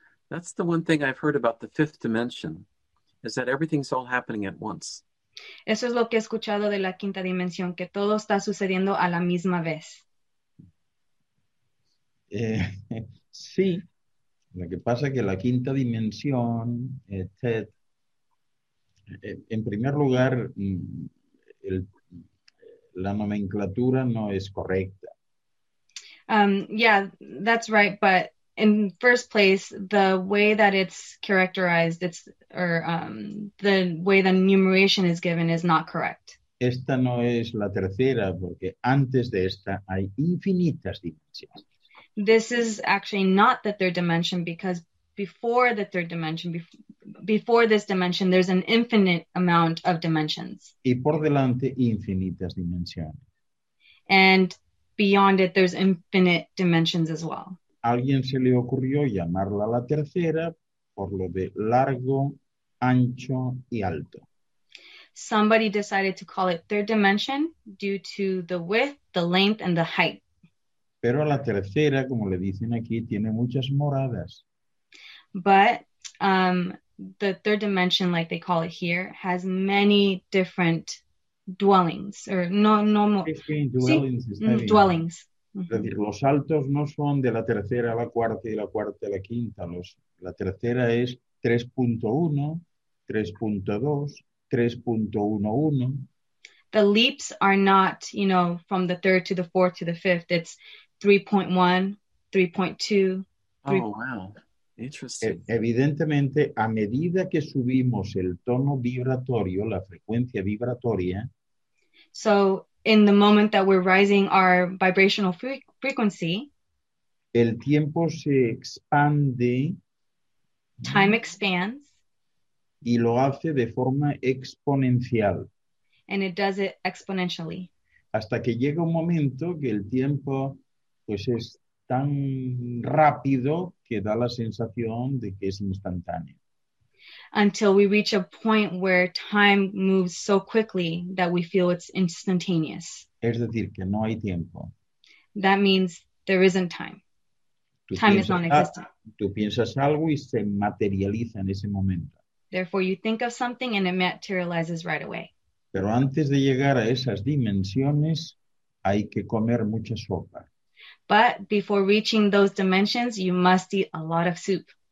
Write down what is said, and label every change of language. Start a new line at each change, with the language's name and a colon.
English: That's the one thing I've heard about the fifth dimension, is that everything's all happening at once.
Spanish: Eso es lo que he escuchado de la quinta dimensión, que todo está sucediendo a la misma vez. Sí, lo que pasa es que la quinta dimensión, Ted, En primer lugar, la nomenclatura no es correcta.
English: Yeah, that's right. But in first place, the way that it's characterized, it's or the way the enumeration is given is not correct.
Spanish: Esta no es la tercera, porque antes de esta hay infinitas dimensiones.
English: This is actually not the third dimension, because before the third dimension, before this dimension, there's an infinite amount of dimensions.
Spanish: Y por delante, infinitas dimensiones.
English: And beyond it, there's infinite dimensions as well.
Spanish: Alguien se le ocurrió llamarla la tercera por lo de largo, ancho y alto.
English: Somebody decided to call it third dimension due to the width, the length, and the height.
Spanish: Pero la tercera, como le dicen aquí, tiene muchas moradas.
English: But the third dimension, like they call it here, has many different dwellings. Or dwellings.
Spanish: Es decir, los altos no son de la tercera a la cuarta y la cuarta a la quinta. La tercera es 3.1, 3.2, 3.11.
English: The leaps are not, you know, from the third to the fourth to the fifth. It's 3.1, 3.2. Oh, wow. Interesting.
Spanish: Evidentemente, a medida que subimos el tono vibratorio, la frecuencia vibratoria.
English: So, in the moment that we're rising our vibrational frequency.
Spanish: El tiempo se expande.
English: Time expands.
Spanish: Y lo hace de forma exponencial.
English: And it does it exponentially.
Spanish: Hasta que llega un momento que el tiempo, pues es tan rápido que da la sensación de que es instantáneo.
English: Until we reach a point where time moves so quickly that we feel it's instantaneous.
Spanish: Es decir, que no hay tiempo.
English: That means there isn't time. Time is non-existent.
Spanish: Tú piensas algo y se materializa en ese momento.
English: Therefore, you think of something and it materializes right away.
Spanish: Pero antes de llegar a esas dimensiones, hay que comer mucha sopa.
English: But before reaching those dimensions, you must eat a lot of soup.